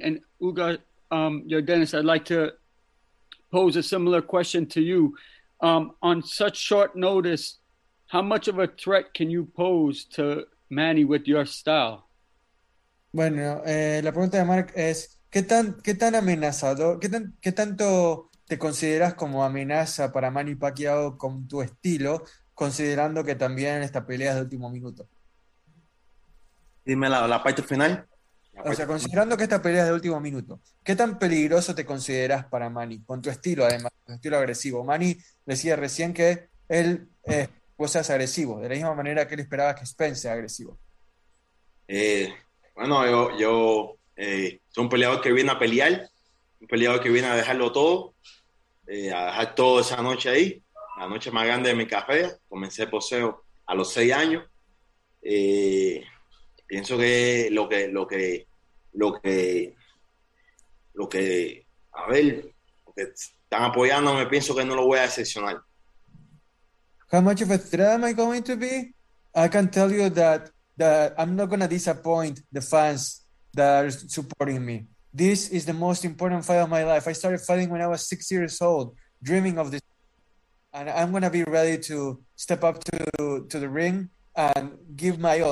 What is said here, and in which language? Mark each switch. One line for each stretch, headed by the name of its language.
English: And Ugas, Yordenis, I'd like to pose a similar question to you. On such short notice, how much of a threat can you pose to Manny with your style?
Spanish: Bueno, la pregunta de Mark es, ¿Qué tan amenazador, qué tanto te consideras como amenaza para Manny Pacquiao con tu estilo, considerando que también esta pelea es de último minuto? Dime la parte final. Considerando que esta pelea es de último minuto, ¿qué tan peligroso te consideras para Manny, con tu estilo además, tu estilo agresivo? Manny decía recién que él vos seas agresivo, de la misma manera que él esperaba que Spence sea agresivo. Bueno, yo... es un peleador que viene a pelear, un peleador que viene a dejarlo todo, a dejar todo esa noche ahí, la noche más grande de mi carrera. Comencé el boxeo a los 6 años. Pienso que lo que están apoyándome, pienso que no lo voy a decepcionar.
English: How much of a threat am I going to be? I can tell you that I'm not going to disappoint the fans that are supporting me. This is the most important fight of my life. I started fighting when I was 6 years old, dreaming of this. And I'm going to be ready to step up to the ring and give my all.